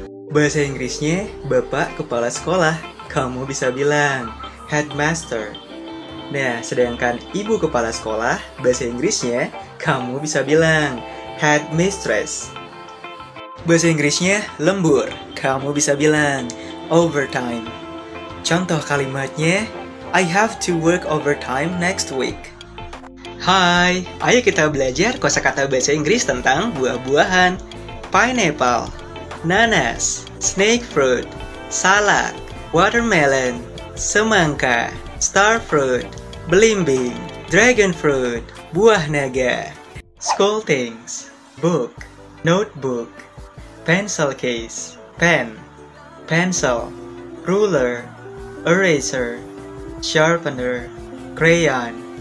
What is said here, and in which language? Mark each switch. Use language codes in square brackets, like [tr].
[id] Bahasa Inggrisnya, bapak kepala sekolah. Kamu bisa bilang, headmaster. Nah, sedangkan ibu kepala sekolah, bahasa Inggrisnya, kamu bisa bilang, headmistress. Bahasa Inggrisnya, lembur. Kamu bisa bilang, overtime. Contoh kalimatnya, [en] I have to work overtime next week. [id] Hai, ayo kita belajar kosakata bahasa Inggris tentang buah-buahan. [en] Pineapple, nanas, snake fruit, salak, watermelon, semangka, star fruit, belimbing, dragon fruit, buah naga, school things, book, notebook, pencil case, pen, pencil, ruler, eraser, sharpener, crayon.